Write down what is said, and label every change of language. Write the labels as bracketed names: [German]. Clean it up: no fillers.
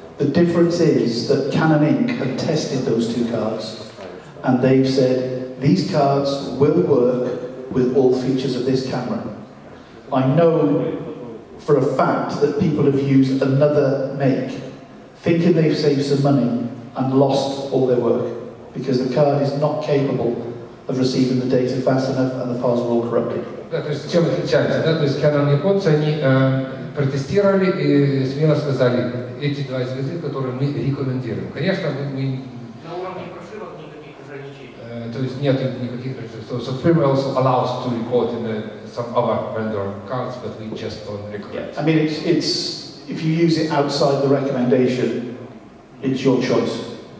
[English] The difference is that Canon Inc. have tested those two cards, and they've said these cards will work with all features of this camera. I know for a fact that people have used another make, thinking they've saved some money and lost all their work because the card is not capable of receiving the data fast enough and the files are all corrupted. [Russian] Да, то есть чем отличается, да, то есть Canon и Epson, они протестировали и смело сказали эти два изготовителя, которые мы рекомендуем. Конечно, мы на уровне прошивок никаких ограничений. То есть нет никаких рецептов. [English] So firmware also allows to record in some other vendor cards, but we just don't recommend. Yeah. I mean, it's if you use it outside the recommendation, it's your choice.